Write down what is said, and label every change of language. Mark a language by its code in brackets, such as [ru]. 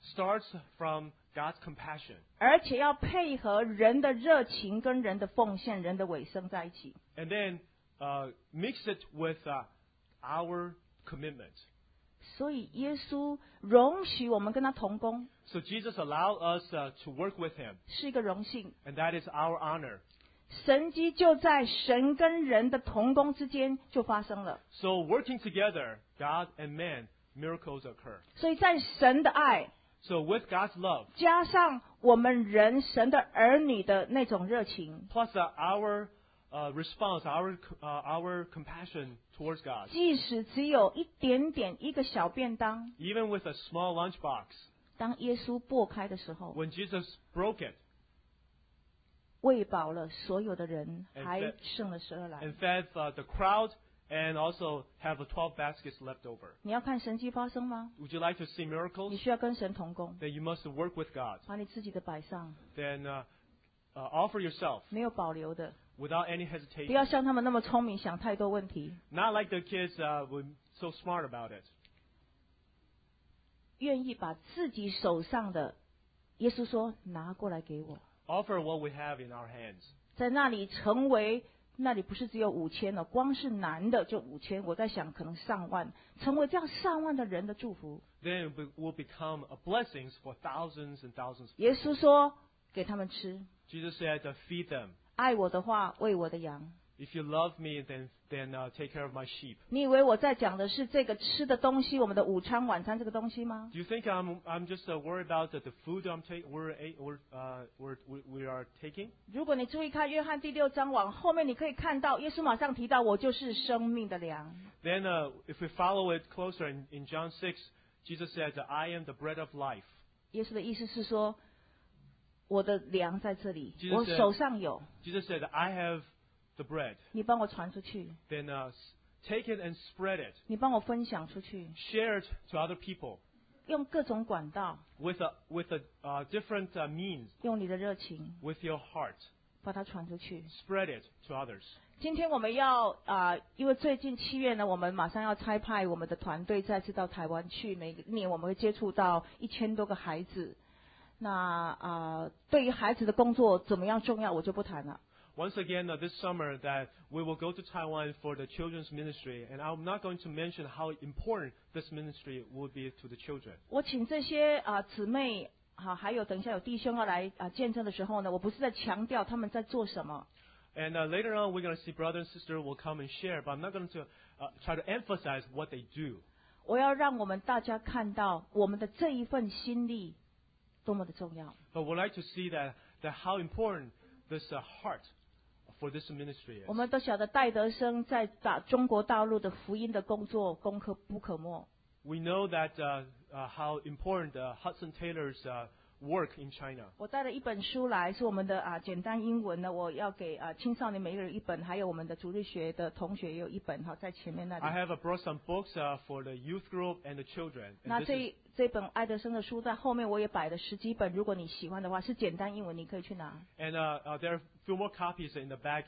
[en] Starts from God's compassion. [zh] 而且要配合人的热情跟人的奉献人的委身在一起。 [en] And then mix it with our commitment. [zh] 所以耶稣容许我们跟他同工。 [en] So Jesus allowed us to work with him. [zh] 是一个荣幸。 [en] And that is our honor. [zh] 神迹就在神跟人的同工之间就发生了。 [en] So working together, God and man, miracles occur. [zh] 所以在神的爱 [en] So with God's love, [zh] 加上我们人神的儿女的那种热情 [en] plus our response, our compassion towards God, [zh] 即使只有一点点一个小便当 [en] even with a small lunchbox, [zh] 当耶稣擘开的时候 [en] when Jesus broke it, [zh] 喂饱了所有的人 还剩了十二篮 [en] and fed the crowd,And also have 12 baskets left over. [zh] 你要看神迹发生吗? [en] Would you like to see miracles? [zh] 你需要跟神同工。 [en] Then you must work with God. [zh] 把你自己的摆上。 [en] Then offer yourself. [zh] 没有保留的。 [en] Without any hesitation. [zh] 不要像他们那么聪明，想太多问题。 [en] Not like the kids were so smart about it. [zh] 愿意把自己手上的，耶稣说，拿过来给我。 [en] Offer what we have in our hands. [zh] 在那里成为。那里不是只有五千了，光是男的就五千，我在想可能上万，成为这样上万的人的祝福。 [en] Then will become a blessings for thousands and thousands. [zh] 耶稣说，给他们吃。 [en] Jesus said, feed them. [zh] 爱我的话，喂我的羊。 [en] If you love me, then take care of my sheep. [zh] 你以为我在讲的是这个吃的东西，我们的午餐、晚餐这个东西吗 [en] ？Do you think I'm just worried about the food we are taking? [zh] 如果你注意看约翰第六章往后面，你可以看到耶稣马上提到我就是生命的粮。 [en] Then if we follow it closer in John 6, Jesus said, "I am the bread of life." [zh] 耶稣的意思是说，我的粮在这里， [en] Jesus、 [zh] 我手上有。 [en] Jesus said, "I have." The bread. [zh] 你帮我传出去。 [en] Then take it and spread it. [zh] 你帮我分享出去。 [en] Share it to other people. [zh] 用各种管道。 [en] With a different means. [zh] 用你的热情。 [en] With your heart. [zh] 把它传出去。 [en] Spread it to others. [zh] 今天我们要因为最近七月呢，我们马上要差派我们的团队再次到台湾去。每年我们会接触到一千多个孩子。那对于孩子的工作怎么样重要，我就不谈了。 [en] Once again, this summer, that we will go to Taiwan for the children's ministry, and I'm not going to mention how important this ministry will be to the children. [zh] 我请这些姊妹还有等一下有弟兄要来见证的时候呢，我不是在强调他们在做什么。 [en] And later on, we're going to see brother and sister will come and share, but I'm not going to try to emphasize what they do. [zh] 我要让我们大家看到我们的这一份心力多么的重要。 [en] But we'd like to see that how important this heart. For this ministry, [zh] 我们都晓得戴德生在中国大陆的福音的工作功课不可没。 [en] We know that how important Hudson Taylor's work in China. [zh] 我带了一本书来，是我们的啊简单英文的，我要给啊青少年每个人一本，还有我们的主日学的同学也有一本哈，在前面那里。 [en] I have brought some books for the youth group and the children. [zh] 那这本爱德生的书在后面我也摆了十几本，如果你喜欢的话，是简单英文，你可以去拿。 [en] And there are a few more copies in the back.